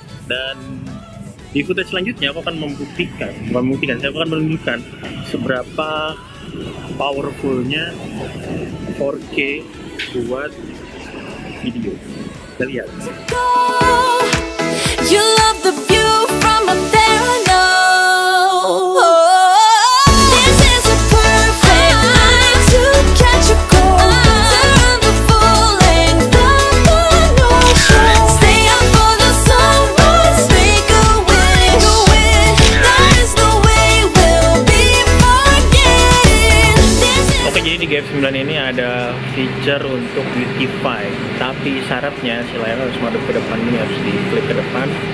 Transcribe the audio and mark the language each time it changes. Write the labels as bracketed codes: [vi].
[id] Dan di footage selanjutnya aku akan membuktikan, saya akan menunjukkan seberapa powerfulnya 4K buat video. [en] You love the view from up there, I know. This is a perfect night to catch a cold. Turn the falling down the North Shore. Stay up for the summer, make a wish. There is no way we'll be forgetting. [id] Oke, jadi di GF9 ini ada feature untuk beautify. Tapi syaratnya si layar harus menghadap ke depan, ini harus di klik ke depan.